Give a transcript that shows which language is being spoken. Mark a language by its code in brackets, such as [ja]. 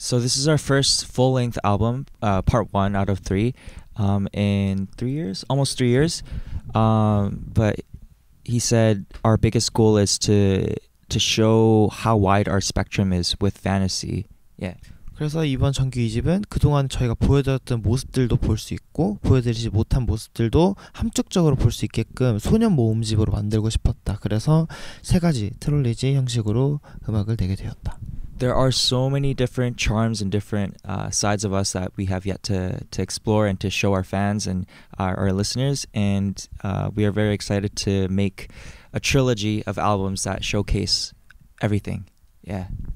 [en] So this is our first full-length album, part 1 out of 3 in 3 years, almost 3 years. But he said our biggest goal is to show how wide our spectrum is with fantasy. Yeah. [ko] 그래서 이번 정규 2집은 그동안 저희가 보여드렸던 모습들도 볼 수 있고 보여드리지 못한 모습들도 함축적으로 볼 수 있게끔 소년 모음집으로 만들고 싶었다. 그래서 세 가지 트롤리지 형식으로 음악을 내게 되었다. [en] There are so many different charms and different sides of us that we have yet to explore and to show our fans and our listeners, and we are very excited to make a trilogy of albums that showcase everything. Yeah.